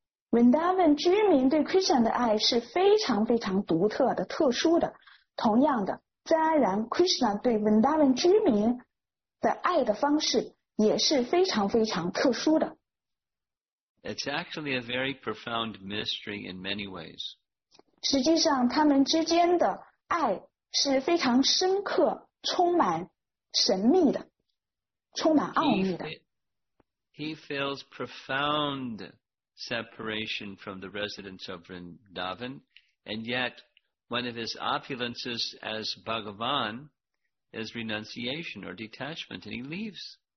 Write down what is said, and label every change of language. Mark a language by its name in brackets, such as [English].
[Chinese] Vrindavan 居民对 Krishna 的爱是非常非常独特的、特殊的。同样的，自然而然 Krishna 对 Vrindavan 居民的爱的方式也是非常非常特殊的。 [English] It's actually a very profound mystery in many ways. [Chinese] 实际上，他们之间的爱是非常深刻充满神秘的充满奥秘的 [English] He feels profound separation from the residents of Vrindavan and yet one of his opulences as Bhagavan is renunciation or detachment and he leaves